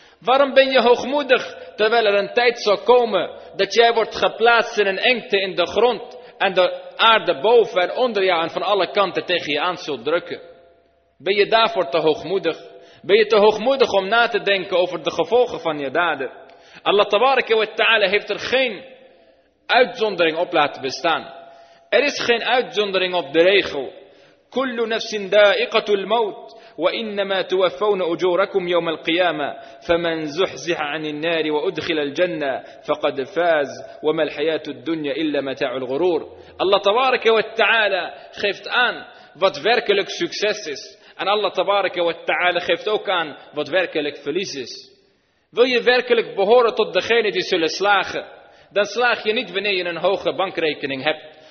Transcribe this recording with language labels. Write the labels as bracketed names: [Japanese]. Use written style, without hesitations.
[Dutch] Waarom ben je hoogmoedig terwijl er een tijd zal komen dat jij wordt geplaatst in een engte in de grond en de aarde boven en onder jou en van alle kanten tegen je aan zult drukken? Ben je daarvoor te hoogmoedig? Ben je te hoogmoedig om na te denken over de gevolgen van je daden? Allah tabaraka wa ta'ala heeft er geen uitzondering op laten bestaan. Er is geen uitzondering op de regel. [Arabic] كل نفس دائقة الموت وإنما توفون أجوركم يوم القيامة فمن زحزح عن النار وأدخل الجنة فقد فاز وما الحياة الدنيا إلا متاع الغرور. الله تبارك وتعالى خفت أن [Dutch] wat werkelijk succes is en Allah tabaraka wa ta'ala geeft ook aan wat werkelijk verlies is. Wil je werkelijk behoren tot degene die zullen slagen, dan slaag je niet wanneer je een hoge bankrekening hebt.